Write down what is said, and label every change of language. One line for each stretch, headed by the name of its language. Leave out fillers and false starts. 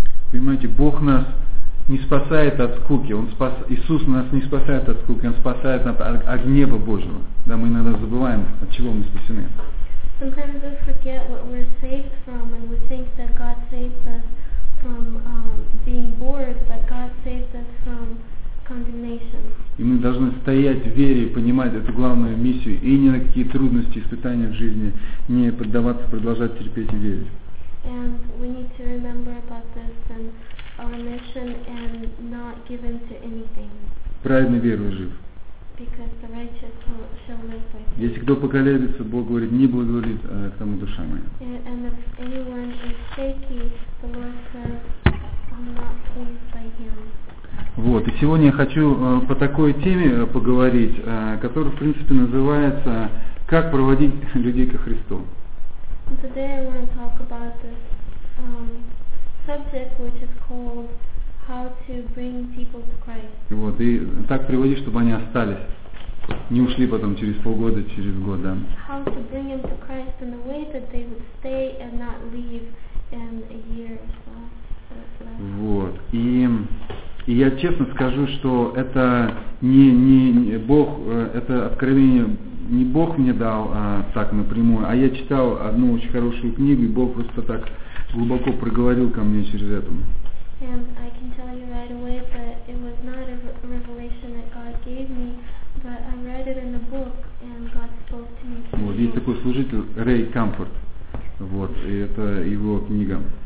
Russian: Понимаете, Бог нас не спасает от скуки, Иисус нас не спасает от скуки, Он спасает нас от гнева Божьего. Да, мы иногда забываем, от чего мы спасены.
English: Sometimes we forget what we're saved from, and we think that God saved us from being bored, but God saved us from condemnation.
Russian: И мы должны стоять в вере и понимать эту главную миссию, и ни на какие трудности, испытания в жизни не поддаваться, продолжать терпеть и верить.
English: And we need to remember about this and our mission and not give in to anything.
Russian: Правильно верую жив.
English: Because the righteous shall live by faith.
Russian: Если кто поколеблется, Бог говорит, не благоволит к тому душа моя.
English: And if anyone is shaky, the Lord says, I'm not pleased by him.
Russian: Вот, и сегодня я хочу по такой теме поговорить, которая, в принципе, называется «Как проводить людей ко Христу».
English: Today I want to talk about this subject, which is called «How to bring people to Christ».
Russian: Вот, и так приводить, чтобы они остались, не ушли потом через полгода, через год, да.
English: «How to bring them to Christ in a way that they would stay and not leave in a year or so».
Russian: Вот, и я честно скажу, что это не Бог, это откровение не Бог мне дал так напрямую, а я читал одну очень хорошую книгу, и Бог просто так глубоко проговорил ко мне через это.
English: And I can tell you right away that it was not a revelation that God gave me, but I read it in a book, and God spoke to me.
Russian: Вот, есть такой служитель Рэй Камфорт. Вот, и это его книга.